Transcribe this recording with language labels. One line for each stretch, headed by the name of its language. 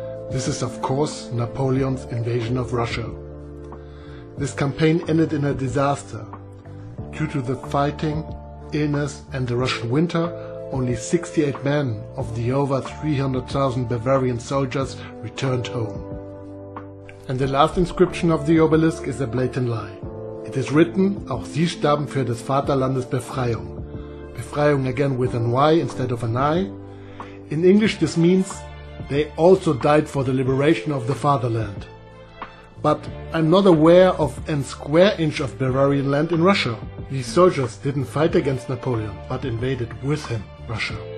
English: This is, of course, Napoleon's invasion of Russia. This campaign ended in a disaster. Due to the fighting, illness, and the Russian winter, only 68 men of the over 300,000 Bavarian soldiers returned home. And the last inscription of the obelisk is a blatant lie. It is written,
German: auch sie starben für des Vaterlandes Befreiung.
English: Befreiung again with an Y instead of an I. In English this means, they also died for the liberation of the fatherland. But I'm not aware of an square inch of Bavarian land in Russia. These soldiers didn't fight against Napoleon, but invaded with him Russia.